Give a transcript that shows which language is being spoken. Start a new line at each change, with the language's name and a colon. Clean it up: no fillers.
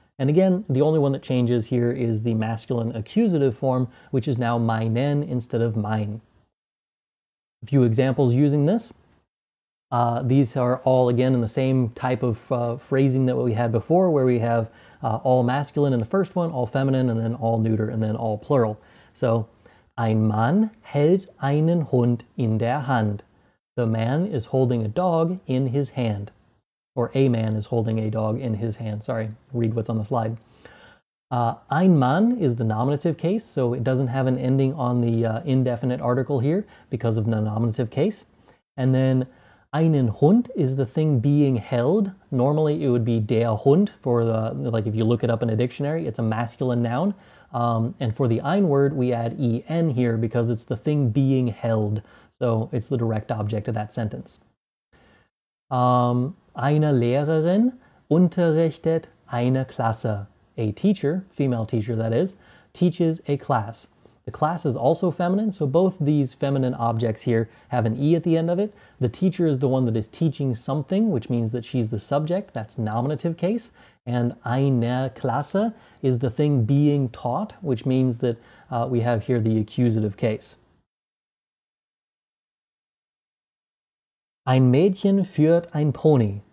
English: And again, the only one that changes here is the masculine accusative form, which is now meinen instead of mein. A few examples using this. These are all, again, in the same type of phrasing that we had before, where we have all masculine in the first one, all feminine, and then all neuter, and then all plural.
German: So, ein Mann hält einen Hund in der Hand.
English: The man is holding a dog in his hand. Or a man is holding a dog in his hand. Sorry, read what's on the slide.
German: Ein Mann
English: is the nominative case, so it doesn't have an ending on the indefinite article here because of the nominative case. And then
German: einen Hund
English: is the thing being held. Normally it would be
German: der Hund
English: for the, like if you look it up in a dictionary, it's a masculine noun. And for the ein word, we add en here because it's the thing being held. So it's the direct object of that sentence.
German: Eine Lehrerin unterrichtet eine Klasse.
English: A teacher, female teacher that is, teaches a class. The class is also feminine, so both these feminine objects here have an E at the end of it. The teacher is the one that is teaching something, which means that she's the subject, that's nominative case. And
German: eine Klasse
English: is the thing being taught, which means that we have here the accusative case.
German: Ein Mädchen führt ein Pony.